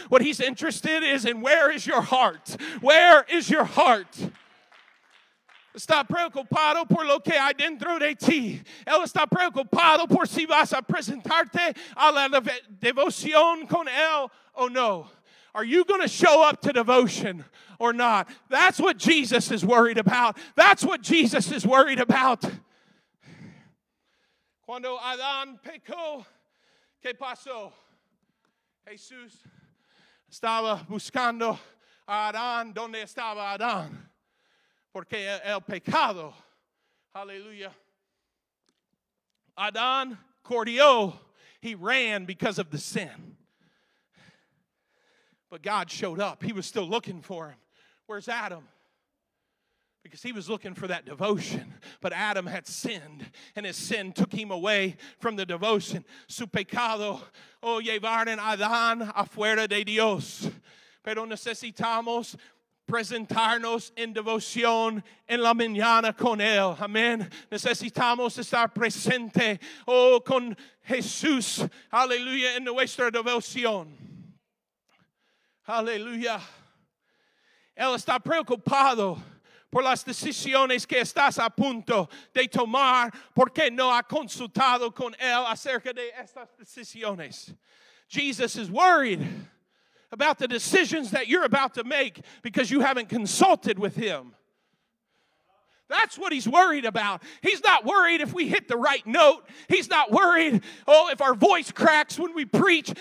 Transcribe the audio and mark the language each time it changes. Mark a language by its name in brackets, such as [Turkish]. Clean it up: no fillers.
[English] What he's interested is in where is your heart? Where is your heart? [Spanish] Está preocupado por lo que hay dentro de ti. Él está preocupado por si vas a presentarte a la devoción con él o no. [English] Are you going to show up to devotion or not? That's what Jesus is worried about. That's what Jesus is worried about. [Spanish] Cuando Adán pecó, ¿qué pasó? Jesús estaba buscando a Adán. ¿Dónde estaba Adán? Porque el pecado, aleluya. Adán corrió, [English] he ran because of the sin. But God showed up. He was still looking for him. Where's Adam? Because he was looking for that devotion. But Adam had sinned, and his sin took him away from the devotion. [Spanish] Su pecado, o llevaron Adán afuera de Dios. Pero necesitamos presentarnos en devoción en la mañana con él. Amén. Necesitamos estar presente, oh, con Jesús. Aleluya, en nuestra devoción. Aleluya. Él está preocupado por las decisiones que estás a punto de tomar porque no ha consultado con él acerca de estas decisiones. [English] Jesus is worried about the decisions that you're about to make because you haven't consulted with him. That's what he's worried about. He's not worried if we hit the right note. He's not worried, oh, if our voice cracks when we preach.